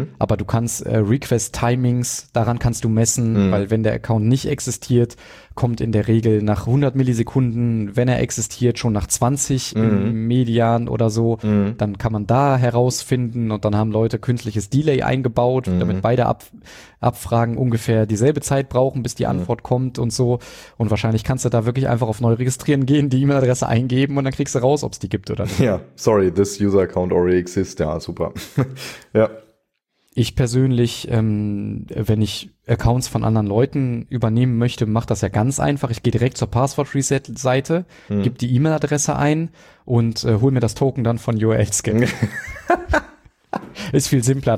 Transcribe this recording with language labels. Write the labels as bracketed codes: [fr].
[de] Aber du kannst Request-Timings, daran kannst du messen, weil wenn der Account nicht existiert, kommt in der Regel nach 100 Millisekunden, wenn er existiert, schon nach 20 Median oder so, dann kann man da herausfinden und dann haben Leute künstliches Delay eingebaut, damit beide Abfragen ungefähr dieselbe Zeit brauchen, bis die Antwort kommt und so. Und wahrscheinlich kannst du da wirklich einfach auf neu registrieren gehen, die E-Mail-Adresse eingeben und dann kriegst du raus, ob es die gibt oder nicht. [en] Ja, sorry, this user account already exists. [de] Ja, super. Ja. Ich persönlich, wenn ich Accounts von anderen Leuten übernehmen möchte, mache das ja ganz einfach. Ich gehe direkt zur Passwort-Reset-Seite, gebe die E-Mail-Adresse ein und hole mir das Token dann von URL-Scan. Ist viel simpler.